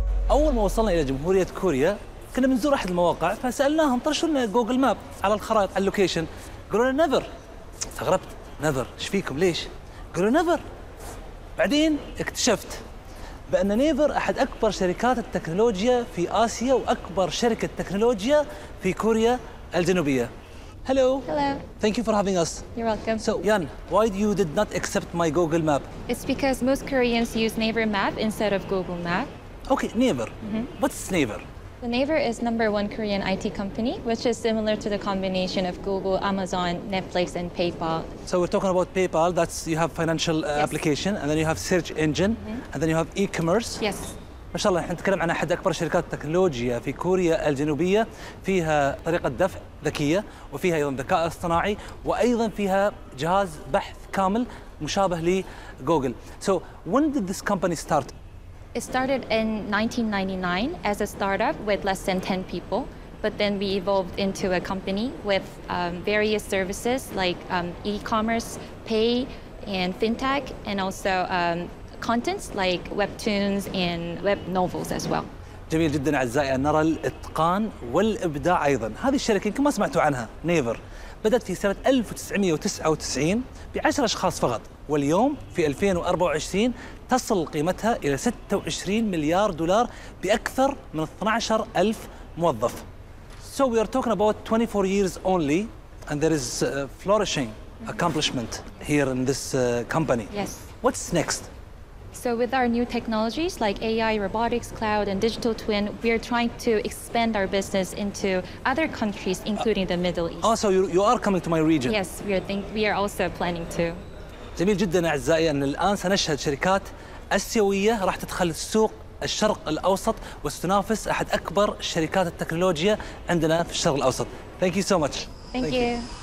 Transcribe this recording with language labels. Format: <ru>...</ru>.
<ar>أول ما وصلنا إلى جمهورية كوريا كنا بنزور أحد المواقع، فسألناهم طرشوا لنا جوجل ماب على الخرائط على اللوكيشن، قالوا لنا نيفر. استغربت، نيفر إيش فيكم ليش؟ قالوا نيفر. بعدين اكتشفت بأن نيفر أحد أكبر شركات التكنولوجيا في آسيا وأكبر شركة تكنولوجيا في كوريا الجنوبية.</ar> <en>Hello. Hello. Thank you for having us. You're welcome. So, Yan, why you did not accept my Google Map? It's because most Koreans use Naver Map instead of Google Map. Okay, Naver. Mm-hmm. What's Naver? The Naver is number one Korean IT company, which is similar to the combination of Google, Amazon, Netflix, and PayPal. So we're talking about PayPal. That's you have financial yes. application, and then you have search engine, mm-hmm. and then you have e-commerce. Yes.</en> <ar>ما شاء الله، إحنا نتكلم عن أحد أكبر شركات تكنولوجيا في كوريا الجنوبية، فيها طريقة دفع ذكية، وفيها أيضا ذكاء اصطناعي، وأيضا فيها جهاز بحث كامل مشابه لجوجل.</ar> <en>So when did this company start? It started in 1999 as a startup with less than 10 people, but then we evolved into a company with various services like e-commerce, pay, and fintech, and also contents like webtoons and web novels as well.</en> <ar>جميل جدا أعزائي أن نرى الإتقان والإبداع أيضا. هذه الشركة كما سمعتوا عنها نيفر بدأت في سنة 1999 ب10 أشخاص فقط، واليوم في 2024 تصل قيمتها إلى 26 مليار دولار بأكثر من 12 ألف موظف.</ar> <en>So we are talking about 24 years only and there is flourishing accomplishment here in this company. Yes. What's next? So with our new technologies like AI, robotics, cloud and digital twin, we are trying to expand our business into other countries including the Middle East. Also, you are coming to my region. Yes, we are also planning to.</en> <ar>جميل جدا أعزائي أن الآن سنشهد شركات آسيوية راح تدخل السوق الشرق الأوسط وستنافس أحد أكبر شركات التكنولوجيا عندنا في الشرق الأوسط.</ar> <en>Thank you so much. Thank you.</en>